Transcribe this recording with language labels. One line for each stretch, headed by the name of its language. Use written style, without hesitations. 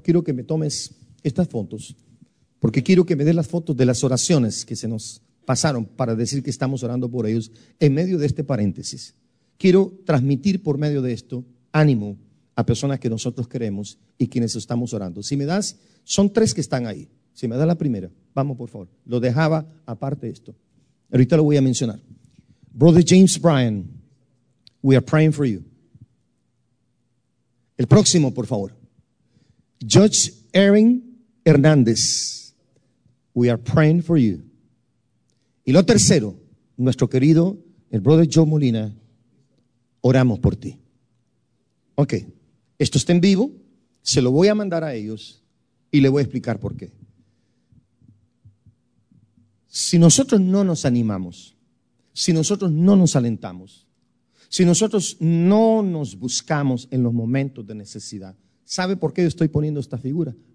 Spanish: Quiero que me tomes estas fotos, porque quiero que me des las fotos de las oraciones que se nos pasaron para decir que estamos orando por ellos en medio de este paréntesis. Quiero transmitir por medio de esto ánimo a personas que nosotros queremos y quienes estamos orando. Si me das, son 3 que están ahí. Si me das la primera, vamos por favor. Lo dejaba aparte esto. Ahorita lo voy a mencionar.
English: Brother James Bryan, we are praying for you.
Spanish: El próximo, por favor.
English: Judge Aaron Hernández, we are praying for you.
Spanish: Y lo tercero, nuestro querido, el brother Joe Molina, oramos por ti. Ok, esto está en vivo, se lo voy a mandar a ellos y le voy a explicar por qué. Si nosotros no nos animamos, si nosotros no nos alentamos, si nosotros no nos buscamos en los momentos de necesidad, ¿sabe por qué yo estoy poniendo esta figura?